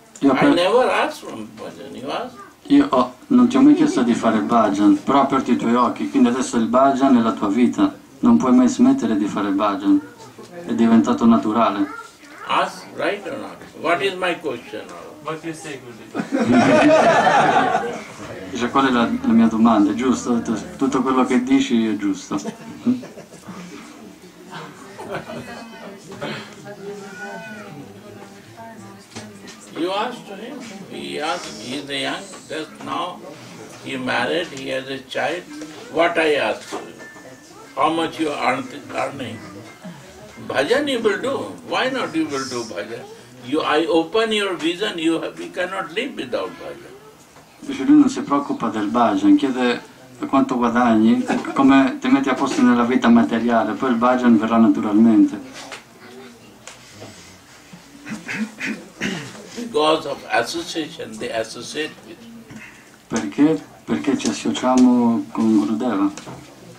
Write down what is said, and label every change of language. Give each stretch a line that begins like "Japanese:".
English: I never ask from bhajan, you ask?
Italian: Non ti ho mai chiesto di fare bhajan, però aperti i tuoi occhi, quindi adesso il bhajan è la tua vita. Non puoi mai smettere di fare bhajan. È diventato naturale.
English: Ask, right or not? What is my question? What you say, Guru?
Italian: Dice, qual è la mia domanda? È giusto? Tutto quello che dici è giusto.
English: asked, he is young, just now he married, he has a child. What I ask you? How much you are earning? Bhajan you will do. Why not you will do bhajan? I open your vision, we cannot live without bhajan.
Italian: Dice, lui non si preoccupa del bhajan, chiede quanto guadagni, come ti metti a posto nella vita materiale, poi il bhajan verrà naturalmente.
English: Because of association, they associate with.
Italian: Perché? Perché ci associamo con Gurudeva.